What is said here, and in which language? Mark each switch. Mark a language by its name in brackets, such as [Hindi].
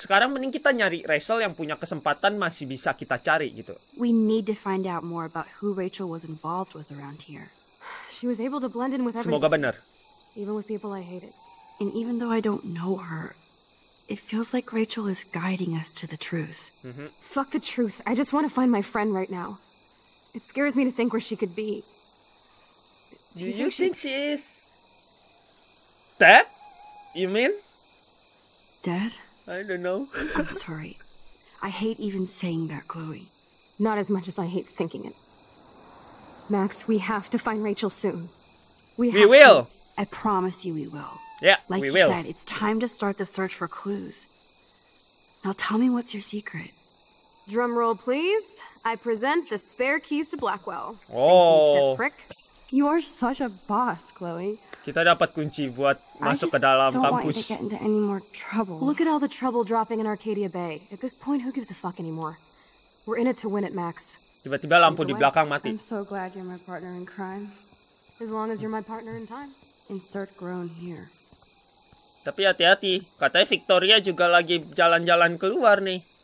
[Indonesian] Sekarang mending kita nyari Rachel yang punya kesempatan masih bisa kita cari, gitu. [English] We need to find out more about who Rachel was involved with around here. She was able to blend in with everyone. [Indonesian] Semoga benar. [English] Even with people I hated. And even though I don't know her, it feels like Rachel is guiding us to the truth. Mm-hmm. Fuck the truth. I just want to find my friend right now. It scares me to think where she could be. Do you think she's... dead? You mean... dead? I don't know. I'm sorry. I hate even saying that, Chloe. Not as much as I hate thinking it. Max, we have to find Rachel soon. We will. I promise you we will. Yeah, like we you will. Said, it's time to start the search for clues. Now tell me what's your secret. Drum roll, please. I present the spare keys to Blackwell. Oh. Thank you, Step Prick. You are such a boss, Chloe. [Indonesian] Kita dapat kunci buat masuk ke dalam kampus. [English] I don't want to get into any more trouble. Look at all the trouble dropping in Arcadia Bay. At this point, who gives a fuck anymore? We're in it to win it, Max. [Indonesian] Tiba-tiba lampu di belakang mati. [English] I'm so glad you're my partner in crime. As long as you're my partner in time. Insert groan here. [Indonesian] Tapi hati-hati. Katanya Victoria juga lagi jalan-jalan keluar nih.